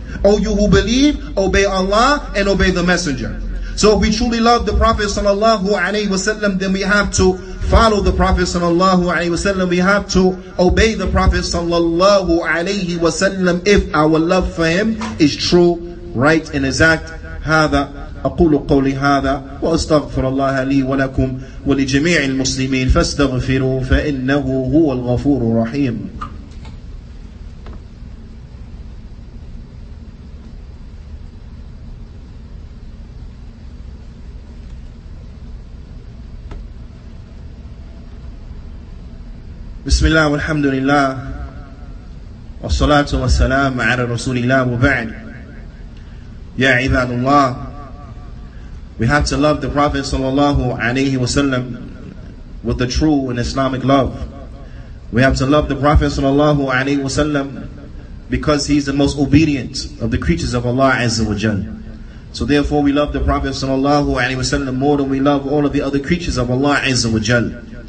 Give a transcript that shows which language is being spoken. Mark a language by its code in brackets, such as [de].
[en] O you who believe, obey Allah and obey the Messenger. So if we truly love the Prophet sallallahu alayhi wa sallam, then we have to follow the Prophet sallallahu alayhi wa sallam. We have to obey the Prophet sallallahu alayhi wa sallam if our love for him is true, right and exact. [ar] هذا أقول قولي هذا وأستغفر الله لي ولكم ولجميع المسلمين فاستغفروا فإنه هو الغفور الرحيم. بسم الله والحمد لله والصلاة والسلام على رسول الله وبعد يا عباد الله. [en] We have to love the Prophet sallallahu alayhi wasallam with the true and Islamic love. We have to love the Prophet sallallahu alayhi wasallam because he's the most obedient of the creatures of Allah azza wa jalla. So therefore we love the Prophet sallallahu alayhi wasallam more than we love all of the other creatures of Allah azza wa jalla.